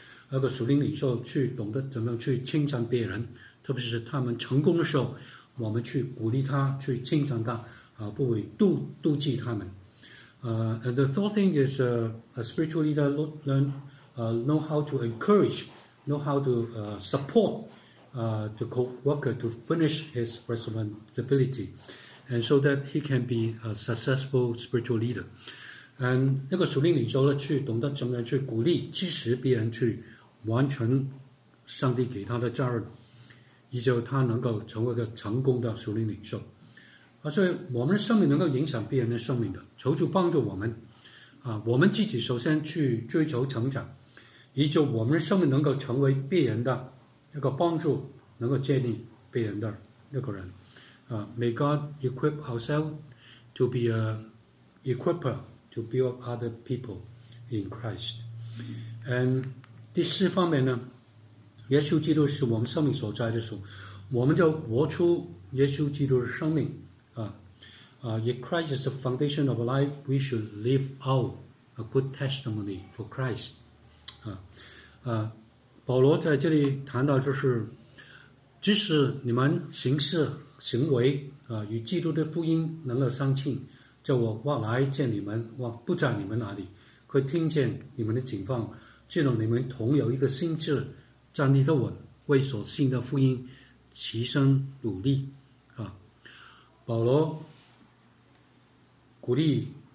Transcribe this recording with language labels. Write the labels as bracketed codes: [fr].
[zh] 一个属灵领袖去懂得怎么样去称赞别人，特别是他们成功的时候，我们去鼓励他，去称赞他，不会妒忌他们。 [en] And the third thing is a spiritual leader know how to encourage, know how to support. The co-worker to finish his responsibility, and so that he can be a successful spiritual leader. And [zh] 那个属灵领袖呢，去懂得怎么样去鼓励、支持别人去完成上帝给他的责任，以及他能够成为一个成功的属灵领袖。所以我们的生命能够影响别人的生命的，求主帮助我们。我们自己首先去追求成长，以及我们的生命能够成为别人的。一个帮助能够建立别人的那个人 [en] May God equip ourselves to be an equipper to build up other people in Christ. [zh] And 第四方面呢，耶稣基督是我们生命所在的主，我们就活出耶稣基督的生命 [en] If Christ is the foundation of life, we should live out a good testimony for Christ. [zh] 保罗在这里谈到，就是即使你们行事行为与基督的福音能够相称，叫我往来见你们，往不在你们那里，可以听见你们的情况，知道你们同有一个心智，站立得稳，为所信的福音齐声努力保罗鼓励